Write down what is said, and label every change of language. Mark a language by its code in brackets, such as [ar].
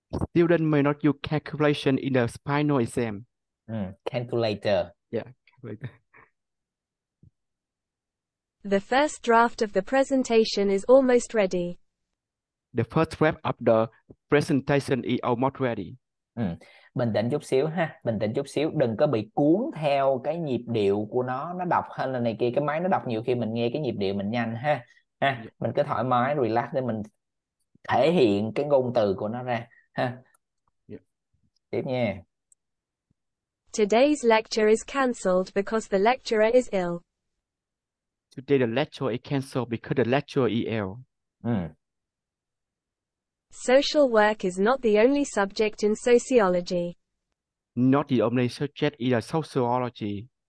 [en] Student may not use calculation in the final exam. Calculator. Yeah. The first draft of the presentation is almost ready. The first wrap of the presentation is almost ready. [vi] Bình tĩnh chút xíu ha, bình tĩnh chút xíu, đừng có bị cuốn theo cái nhịp điệu của nó đọc hay là này kia, cái máy nó đọc nhiều khi mình nghe cái nhịp điệu mình nhanh ha. Ha, mình cứ thoải mái, relax để mình thể hiện cái ngôn từ của nó ra ha. Tiếp nha. [en] Today's lecture is cancelled because the lecturer is ill. Today the lecture is cancelled because the lecturer is ill. Social work is not the only subject in sociology. Not the only subject in sociology.